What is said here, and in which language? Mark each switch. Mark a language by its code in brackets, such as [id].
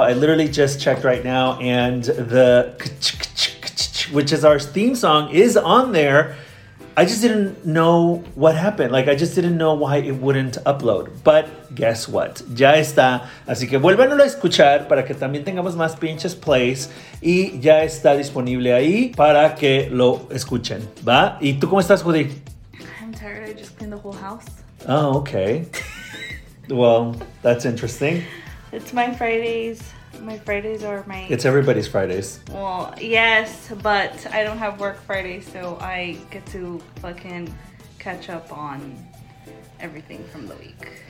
[en] I literally just checked right now and the which is our theme song is on there. I just didn't know what happened. Like, I just didn't know why it wouldn't upload. But guess what? [es] Ya está. Así que vuélvanlo a escuchar para que también tengamos más pinches plays. Y ya está disponible ahí para que lo escuchen. ¿Va? ¿Y tú cómo estás, Judy? [en] I'm tired. I just cleaned the whole house. Oh, okay. Well, that's interesting. It's my Fridays. My Fridays are my... It's everybody's Fridays. Well, yes, but I don't have work Friday, so I get to fucking catch up on everything from the week.